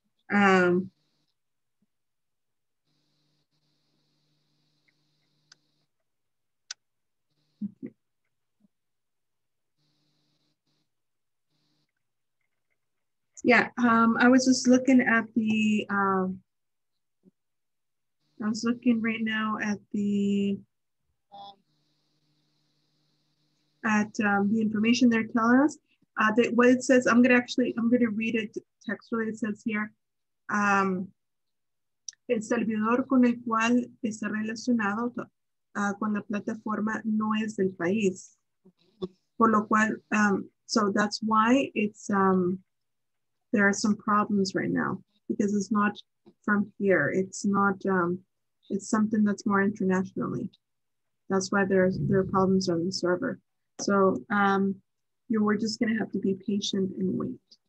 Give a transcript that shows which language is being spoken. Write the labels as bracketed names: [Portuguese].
[English] I was just looking at the, I was looking right now at the, the information they're telling us. What it says, I'm gonna read it textually. It says here, [Spanish] el servidor con el cual está relacionado con la plataforma no es del país. Por lo cual, [English] so that's why it's there are some problems right now because it's not from here. It's not, it's something that's more internationally. That's why there are problems on the server. So we're just gonna have to be patient and wait.